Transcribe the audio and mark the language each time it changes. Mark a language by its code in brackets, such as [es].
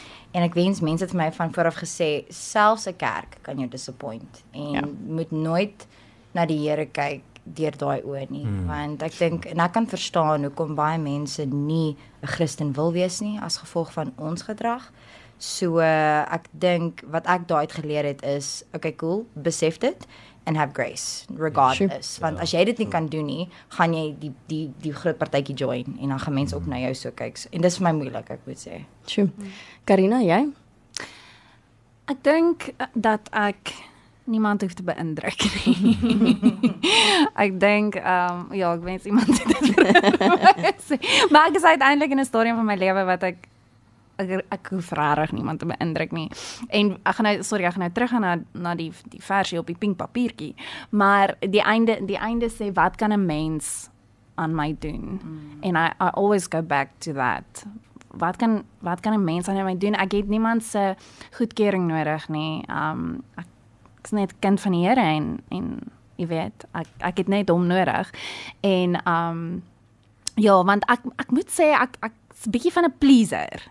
[af] En ek wens mense het vir my van vooraf gesê, selfs 'n kerk kan jou disappoint. En moet nooit na die Here kyk deur daai oë nie. Hmm. Want ek dink, en ek kan verstaan hoekom baie mense nie 'n Christen wil wees nie, as gevolg van ons gedrag. So, ek dink wat ek daai uit geleer het is, okay, cool, besef dit. [en] And have grace, regardless. Sure. [af] Want as jy dit nie kan doen nie, gaan jy die groot partijtje join. En dan gaan mense op na jou so kyk. En dis vir my moeilik, ek moet sê. True. Karina, jy? Ek dink dat ek niemand hoef te beïndruk nie. Ek dink, ek wens iemand dit sê. Maar ek is uiteindelik in 'n story van my lewe wat ek hoef rarig niemand te beïndruk nie. En ek gaan nou terug gaan na die versie op die pink papiertjie. Maar die einde sê, wat kan 'n mens aan my doen? Mm. [en] And I always go back to that. [af] Wat kan 'n mens aan my doen? Ek het niemand se goedkeuring nodig nie. Ek is net kind van die Here en jy weet, ek het net hom nodig. En want ek moet sê, ek is 'n bietjie van 'n pleaser.